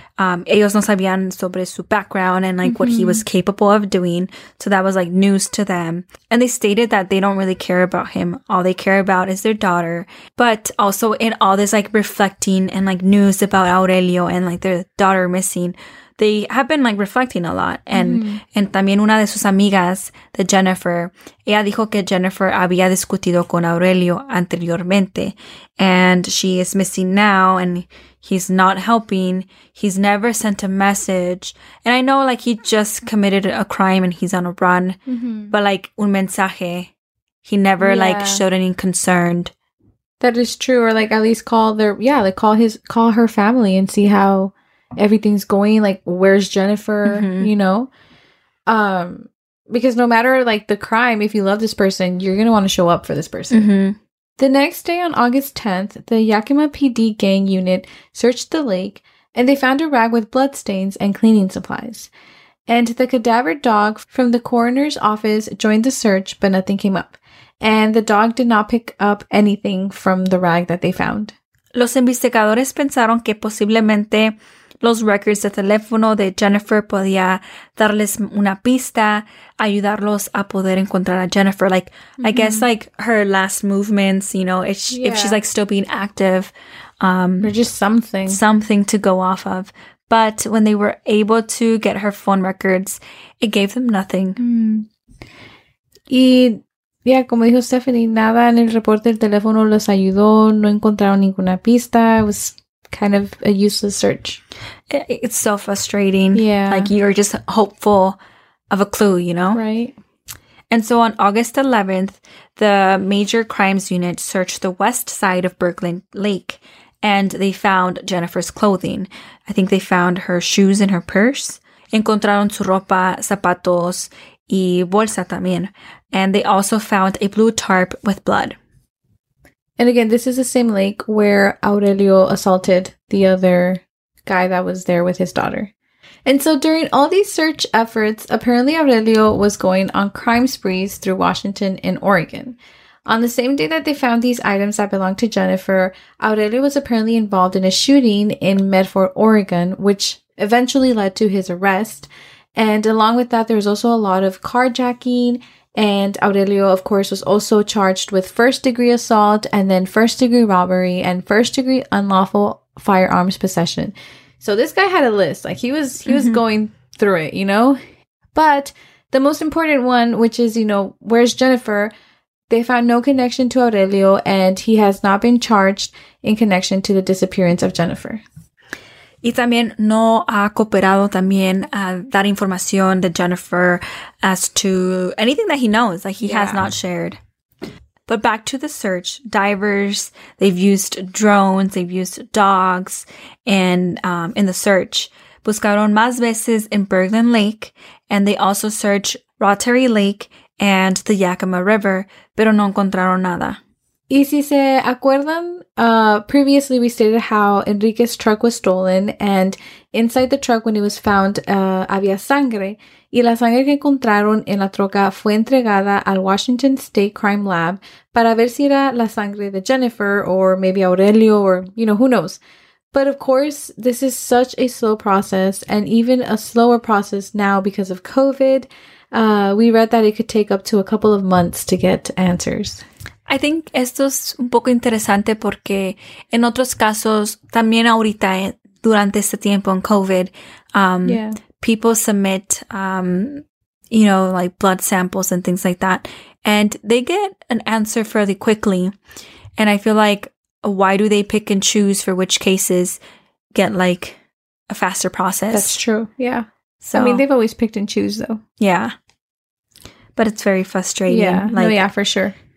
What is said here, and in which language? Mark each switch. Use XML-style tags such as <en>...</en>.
<es>Ellos no sabían sobre su</es> <en>background and, like, what he was capable of doing. So that was, like, news to them. And they stated that they don't really care about him. All they care about is their daughter. But also in all this, like, reflecting and, like, news about Aurelio and, like, their daughter missing, they have been, like, reflecting a lot.</en> <es>And and también una de sus amigas, the Jennifer, ella dijo que Jennifer había discutido con Aurelio anteriormente.</es> <en>And she is missing now, and he's not helping. He's never sent a message. And I know, like, he just committed a crime and he's on a run. Mm-hmm.</en> <es>But, like, un mensaje.</es> <en>He never, like, showed any concern. That is true. Or, like, at least call her family and see how... everything's going, like, where's Jennifer, mm-hmm. you know? Because no matter, like, the crime, if you love this person, you're going to want to show up for this person. Mm-hmm. The next day on August 10th, the Yakima PD gang unit searched the lake, and they found a rag with bloodstains and cleaning supplies. And the cadaver dog from the coroner's office joined the search, but nothing came up. And the dog did not pick up anything from the rag that they found.</en> <es>Los investigadores pensaron que posiblemente los records de teléfono de Jennifer podía darles una pista, ayudarlos a poder encontrar a Jennifer.</es> <en>Like, mm-hmm. I guess, like, her last movements, you know, if, if she's, like, still being active. Or just something. Something to go off of. But when they were able to get her phone records, it gave them nothing.</en> <es>Y, yeah, como dijo Stephanie, nada en el reporte del teléfono los ayudó. No encontraron ninguna pista.</es> <en>It was kind of a useless search. It's so frustrating. Yeah. Like, you're just hopeful of a clue, you know? Right. And so on August 11th, the major crimes unit searched the west side of Birkeland Lake, and they found Jennifer's clothing. I think they found her shoes and her purse.</en> <es>Encontraron su ropa, zapatos, y bolsa también.</es> <en>And they also found a blue tarp with blood. And again, this is the same lake where Aurelio assaulted the other guy that was there with his daughter. And so during all these search efforts, apparently Aurelio was going on crime sprees through Washington and Oregon. On the same day that they found these items that belonged to Jennifer, Aurelio was apparently involved in a shooting in Medford, Oregon, which eventually led to his arrest. And along with that, there was also a lot of carjacking. And Aurelio, of course, was also charged with first-degree assault and then first-degree robbery and first-degree unlawful firearms possession. So this guy had a list. Like, he was going through it, you know? But the most important one, which is, you know, where's Jennifer? They found no connection to Aurelio, and he has not been charged in connection to the disappearance of Jennifer.</en> <es>Y también no ha cooperado también a dar información de Jennifer</es> <en>as to anything that he knows. Like, he has not shared. But back to the search. Divers, they've used drones, they've used dogs in the search.</en> <es>Buscaron más veces</es> <en>in Birkeland Lake, and they also search Rotary Lake and the Yakima River,</en> <es>pero no encontraron nada. Y si se acuerdan,</es> <en>previously we stated how Enrique's truck was stolen, and inside the truck, when it was found,</en> <es>había sangre. Y la sangre que encontraron en la troca fue entregada al Washington State Crime Lab para ver si era la sangre de Jennifer,</es> <en>or maybe Aurelio, or, you know, who knows. But of course, this is such a slow process, and even a slower process now because of COVID. We read that it could take up to a couple of months to get answers. I think</en> <es>esto es un poco interesante porque en otros casos, también ahorita, durante este tiempo en COVID,</es> <en>people submit, you know, like blood samples and things like that. And they get an answer fairly quickly. And I feel like, why do they pick and choose for which cases get like a faster process? That's true. Yeah. So, I mean, they've always picked and choose though. Yeah. But it's very frustrating. Yeah. Like, no, yeah, for sure.</en>